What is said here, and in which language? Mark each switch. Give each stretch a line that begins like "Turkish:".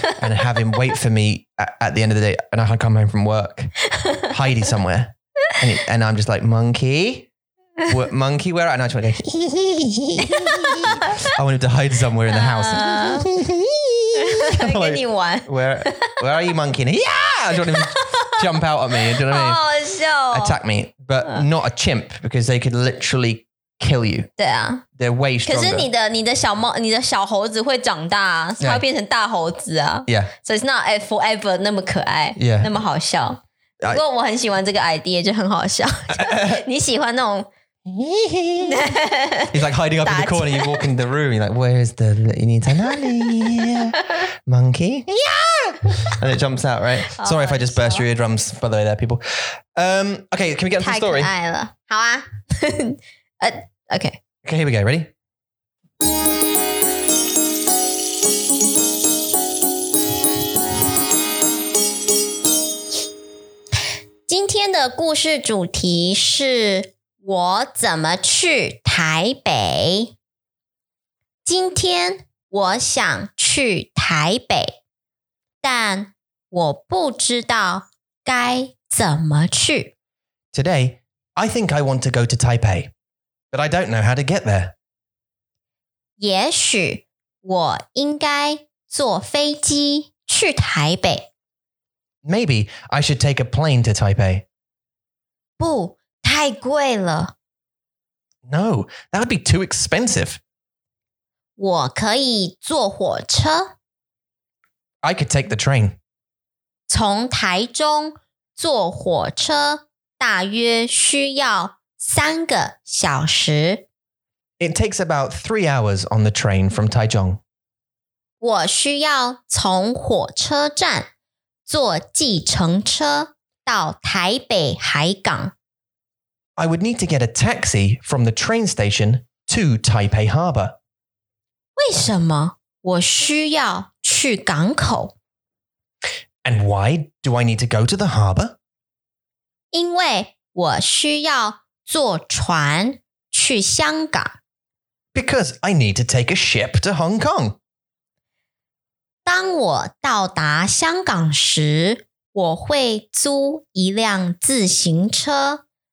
English: and have him wait for me at the end of the day, and I'd come home from work, hidey somewhere, and I'm just like monkey where? And I just want to go. I want him to hide somewhere in the house. Give me one. Where are you, monkey? And, yeah, I just want him. Jump out at me, do you know what I mean?
Chinese: 好笑、哦、
English: Attack me, but not a chimp, because they could literally kill you.
Chinese: 对啊。
English: They're way stronger.
Chinese: 可是你的小猴子会长大、啊、它会变成大猴子啊。
English: Yeah. So it's not forever
Chinese: 那么可爱、
English: yeah.
Chinese: 那么好笑。不过我很喜欢这个 idea, 就很好笑。你喜欢那种
English: He's like hiding up in the corner, you walk into the room, you're like, where's the little monkey? Yeah! And it jumps out, right? Sorry if I just burst your eardrums, by the way, there, people. Okay, can we get into the story?
Chinese: 太可爱了。好啊。Okay.
English: Okay, here we go, ready? Today's story topic is...
Chinese: 我怎么去台北？今天我想去台北，但我不知道该怎么去。
English: Today, I think I want to go to Taipei, but I don't know how to get there.
Chinese: 也许我应该坐飞机去台北。
English: Maybe I should take a plane to Taipei.
Chinese: 不。太贵了。
English: No, that would be too expensive.
Chinese: 我可以坐火车。
English: I could take the train.
Chinese: 从台中坐火车大约需要三个小时。
English: It takes about 3 hours on the train from 台中。
Chinese: 我需要从火车站坐计程车到台北海港。
English: I would need to get a taxi from the train station to Taipei Harbor.
Chinese: 为什么我需要去港口?
English: And why do I need to go to the harbor?
Chinese: 因为我需要坐船去香港。
English: Because I need to take a ship to Hong Kong.
Chinese: 当我到达香港时,我会租一辆自行车。